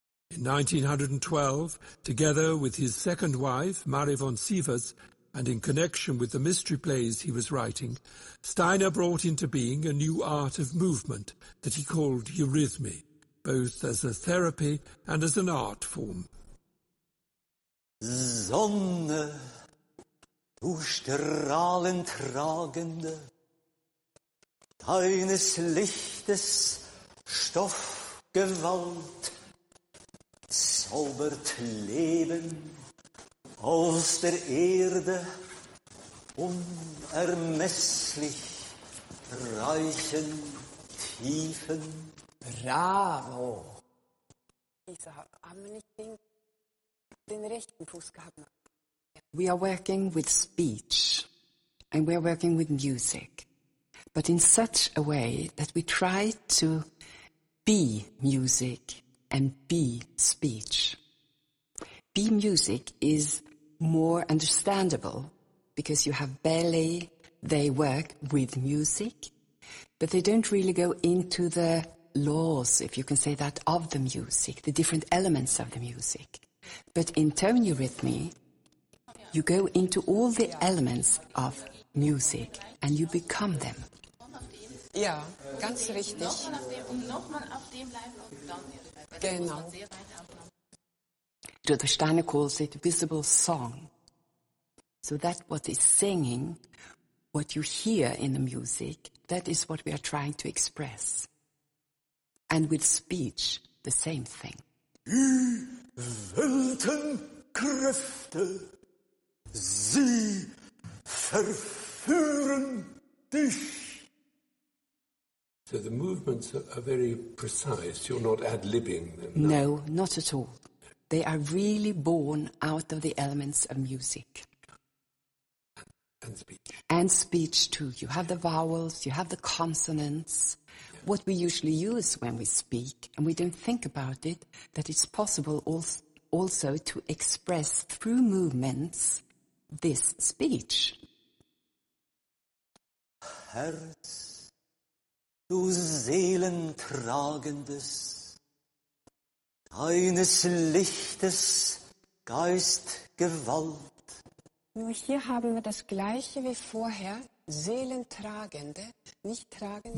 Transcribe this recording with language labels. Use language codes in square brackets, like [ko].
[en] In 1912, together with his second wife, Marie von Sievers, and in connection with the mystery plays he was writing, Steiner brought into being a new art of movement that he called eurythmy, both as a therapy and as an art form. [de] Sonne, du strahlentragende, deines Lichtes Stoffgewalt, zaubert Leben aus der Erde unermesslich reichen Tiefen. Bravo! Lisa, haben wir nicht den rechten Fuß gehabt? [en] We are working with speech and we are working with music, but in such a way that we try to be music and be speech. Be music is more understandable because you have ballet, they work with music, but they don't really go into the laws, if you can say that, of the music, the different elements of the music. But in tone eurythmy, you go into all the elements of music and you become them. [de] Ja, ganz richtig. Genau. [en] Rudolf Steiner calls it visible song. So that what is singing, what you hear in the music, that is what we are trying to express. And with speech, the same thing. [de] Die Weltenkräfte, sie verführen dich. [en] So the movements are very precise. You're not ad-libbing them. No, not at all. They are really born out of the elements of music. And speech. And speech, too. You have the vowels, you have the consonants. Yeah. What we usually use when we speak, and we don't think about it, that it's possible also to express through movements this speech. [de] Herz. Du Seelentragendes, deines Lichtes Geistgewalt. Nur hier haben wir das Gleiche wie vorher, Seelentragende, nicht tragende.